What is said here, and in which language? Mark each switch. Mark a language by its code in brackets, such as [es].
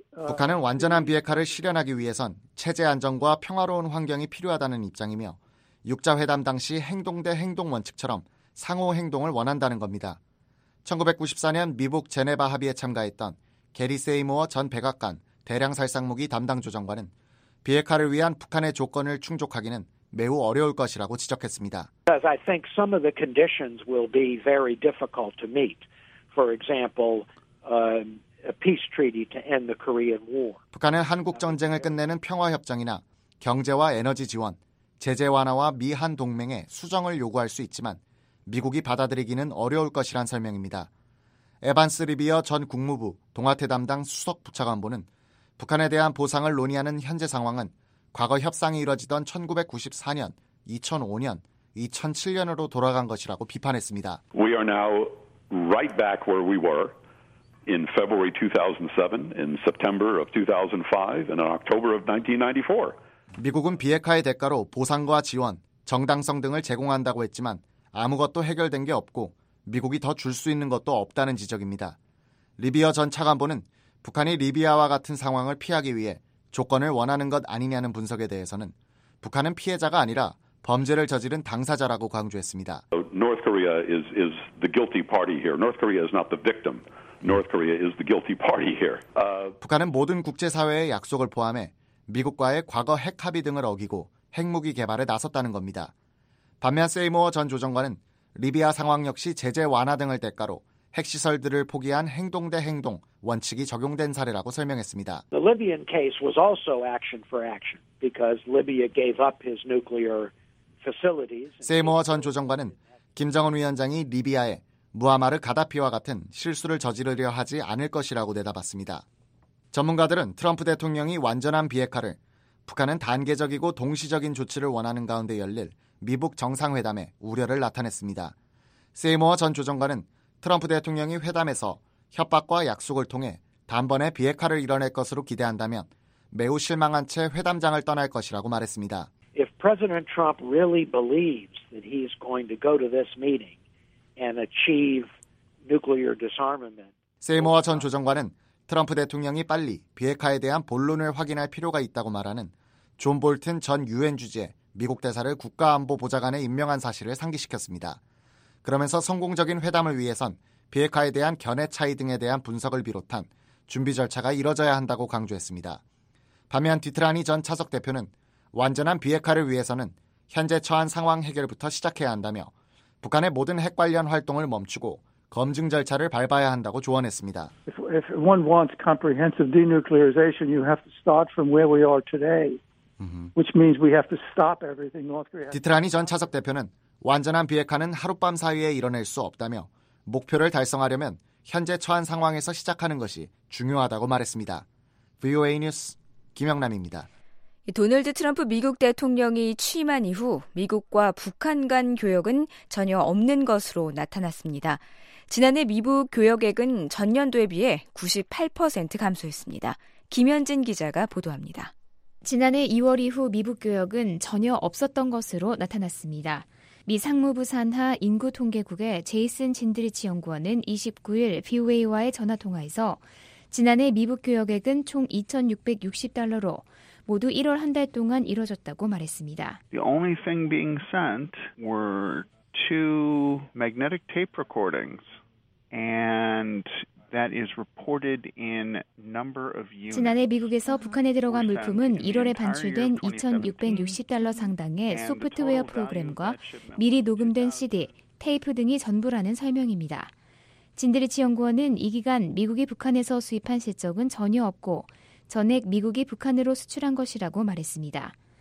[ko] 북한은 완전한 비핵화를 실현하기 위해선 체제 안정과 평화로운 환경이 필요하다는 입장이며 6자회담 당시 행동 대 행동 원칙처럼 상호 행동을 원한다는 겁니다. 1994년 미국 제네바 합의에 참가했던 게리 세이모어 전 백악관 대량 살상무기 담당 조정관은 비핵화를 위한 북한의 조건을 충족하기는 매우 어려울 것이라고 지적했습니다. [en] I think some of the conditions will be very difficult to meet. For example, a peace treaty to end the Korean War. [ko] 북한은 한국 전쟁을 끝내는 평화 협정이나 경제와 에너지 지원, 제재 완화와 미한 동맹의 수정을 요구할 수 있지만 미국이 받아들이기는 어려울 것이란 설명입니다. 에반스 리비어 전 국무부 동아태 담당 수석 부차관보는 북한에 대한 보상을 논의하는 현재 상황은 과거 협상이 이뤄지던 1994년, 2005년, 2007년으로 돌아간 것이라고 비판했습니다. [en] We are now right back where we were. In February 2007, in September of 2005, and in October of 1994. [ko] 미국은 비핵화의 대가로 보상과 지원, 정당성 등을 제공한다고 했지만 아무것도 해결된 게 없고 미국이 더 줄 수 있는 것도 없다는 지적입니다. 리비어 전 차관보는 북한이 리비아와 같은 상황을 피하기 위해 조건을 원하는 것 아니냐는 분석에 대해서는 북한은 피해자가 아니라 범죄를 저지른 당사자라고 강조했습니다. [en] North Korea is the guilty party here. North Korea is not the victim. North Korea is the guilty party here. [ko] 북한은 모든 국제사회의 약속을 포함해 미국과의 과거 핵 합의 등을 어기고 핵무기 개발에 나섰다는 겁니다. 반면 세이모어 전 조정관은 리비아 상황 역시 제재 완화 등을 대가로 핵시설들을 포기한 행동 대 행동 원칙이 적용된 사례라고 설명했습니다. [en] The Libyan case was also action for action because Libya gave up his nuclear facilities. [ko] 세이모어 전 조정관은 김정은 위원장이 리비아에 무아마르 가다피와 같은 실수를 저지르려 하지 않을 것이라고 내다봤습니다. 전문가들은 트럼프 대통령이 완전한 비핵화를 북한은 단계적이고 동시적인 조치를 원하는 가운데 열릴 미북 정상회담에 우려를 나타냈습니다. 세이모어 전 조정관은 트럼프 대통령이 회담에서 협박과 약속을 통해 단번에 비핵화를 이뤄낼 것으로 기대한다면 매우 실망한 채 회담장을 떠날 것이라고 말했습니다. [en] If President Trump really believes that he is going to go to this meeting, and achieve nuclear disarmament. [ko] 세이모어 전 조정관은 트럼프 대통령이 빨리 비핵화에 대한 본론을 확인할 필요가 있다고 말하는 존 볼튼 전 유엔 주재 미국 대사를 국가안보보좌관에 임명한 사실을 상기시켰습니다. 그러면서 성공적인 회담을 위해선 비핵화에 대한 견해 차이 등에 대한 분석을 비롯한 준비 절차가 이뤄져야 한다고 강조했습니다. 반면 디트라니 전 차석 대표는 완전한 비핵화를 위해서는 현재 처한 상황 해결부터 시작해야 한다며 북한의 모든 핵 관련 활동을 멈추고 검증 절차를 밟아야 한다고 조언했습니다. [en] If one wants comprehensive denuclearization, you have to start from where we are today, which means we have to stop everything North Korea. [ko] 디트라니 전 차석 대표는 완전한 비핵화는 하룻밤 사이에 이뤄낼 수 없다며 목표를 달성하려면 현재 처한 상황에서 시작하는 것이 중요하다고 말했습니다. VOA 뉴스 김영남입니다. 도널드 트럼프 미국 대통령이 취임한 이후 미국과 북한 간 교역은 전혀 없는 것으로 나타났습니다. 지난해 미북 교역액은 전년도에 비해 98% 감소했습니다. 김현진 기자가 보도합니다. 지난해 2월 이후 미북 교역은 전혀 없었던 것으로 나타났습니다. 미 상무부 산하 인구통계국의 제이슨 진드리치 연구원은 29일 VOA와의 전화통화에서 지난해 미북 교역액은 총 $2,660로 모두 1월 한 달 동안 이뤄졌다고 말했습니다. [en] The only thing being sent were two magnetic tape recordings, and that is reported in number of units. [ko] 지난해 미국에서 북한에 들어간 물품은 1월에 반출된 $2,660 상당의 소프트웨어 프로그램과 미리 녹음된 CD, 테이프 등이 전부라는 설명입니다. 진드리치 연구원은 이 기간 미국이 북한에서 수입한 실적은 전혀 없고 전액 미국이 북한으로 수출한 것이라고 말했습니다.